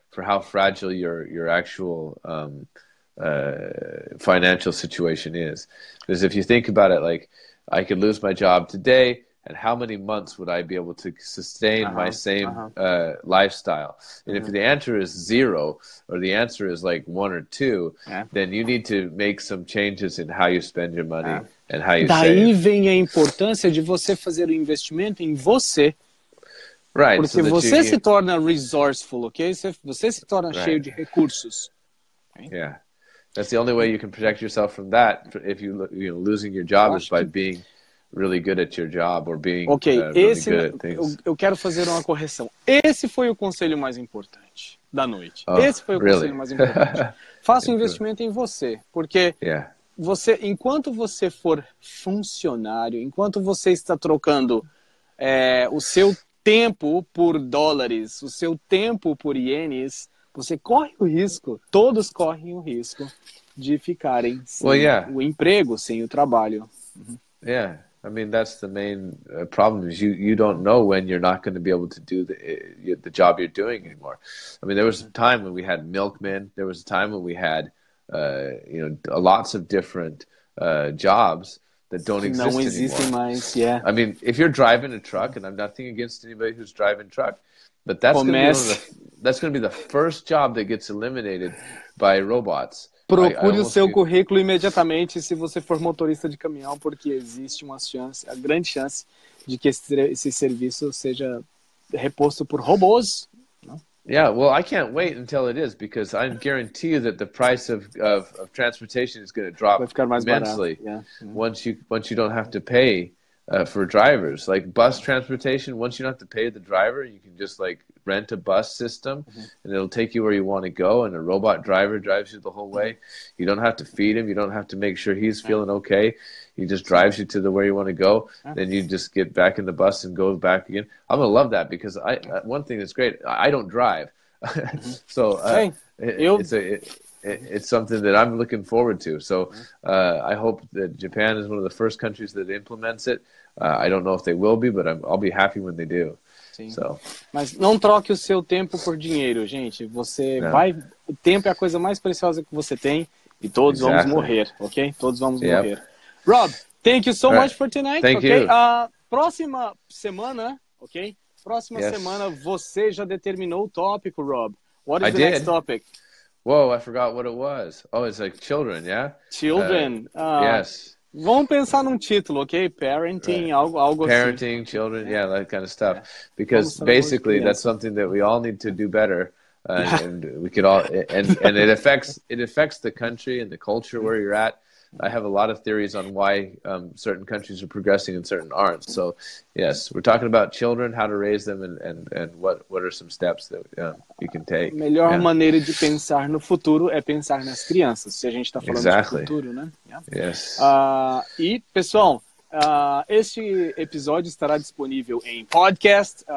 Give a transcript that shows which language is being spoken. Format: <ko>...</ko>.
<en>For how fragile your actual financial situation is, because if you think about it, like I could lose my job today and how many months would I be able to sustain my same lifestyle? And if the answer is zero, or the answer is like one or two, then you need to make some changes in how you spend your money and how you save.</en> <pt>Daí vem a importância de você fazer o investimento em você.</pt> <en>Right.</en> <pt>Porque so você se torna resourceful, okay? Você se torna cheio de recursos.</pt> <en>Okay? Yeah. That's the only way you can protect yourself from that, if you, you know, losing your job is by being really good at your job or being really good at things.</en> <pt>Eu quero fazer uma correção. Esse foi o conselho mais importante da noite. Esse foi o conselho mais importante. Faça um investimento em você, porque você, enquanto você for funcionário, enquanto você está trocando o seu tempo por dólares, o seu tempo por ienes, você corre o risco, todos correm o risco de ficarem sem o emprego, sem o trabalho.</pt> <en>Yeah, I mean, that's the main problem, is you don't know when you're not going to be able to do the job you're doing anymore. I mean, there was a time when we had milkmen, there was a time when we had, you know, lots of different jobs that don't exist anymore.</en> <pt>Não existem mais,</pt> <en>I mean, if you're driving a truck, and I'm nothing against anybody who's driving a truck, but that's going to be the first job that gets eliminated by robots.</en> <pt>Procure o seu currículo imediatamente se você for motorista de caminhão, porque existe uma chance, a grande chance de que esse serviço seja reposto por robôs.</pt> <en>Yeah, well, I can't wait until it is, because I guarantee you that the price of transportation is going to drop immensely once you don't have to pay for drivers. Like bus transportation, once you don't have to pay the driver, you can just like rent a bus system and it'll take you where you want to go, and a robot driver drives you the whole way. You don't have to feed him, you don't have to make sure he's feeling okay. He just drives you to the where you want to go, then you just get back in the bus and go back again. I'm gonna love that, because I one thing that's great, I don't drive. So it's something that I'm looking forward to. So I hope that Japan is one of the first countries that implements it. I don't know if they will be, but I'll be happy when they do.</en> <pt>Sim. So. Mas não troque o seu tempo por dinheiro, gente. Você vai. O tempo é a coisa mais preciosa que você tem, e todos vamos morrer, ok? Todos vamos morrer.</pt> <en>Rob, thank you so much for tonight. Thank you.</en> <pt>Próxima semana, ok? Próxima semana você já determinou o tópico, Rob.</pt> <en>What is the next topic? Whoa, I forgot what it was. Oh, it's like children, yeah? Children. Yes.</en> <pt>Vamos pensar num título, ok? Parenting, algo</pt> <en>parenting,</en> <pt>assim.</pt> <en>Parenting, children, that kind of stuff. Yeah. Because basically, that's something that we all need to do better. And we could all, and it affects the country and the culture where you're at. I have a lot of theories on why certain countries are progressing and certain aren't. So, yes, we're talking about children, how to raise them, and what are some steps that you can take.</en> <pt>A melhor maneira de pensar no futuro é pensar nas crianças, se a gente está falando de futuro, né?</pt> <en>Yes.</en> <pt>E, pessoal, este episódio estará disponível em podcast.</pt>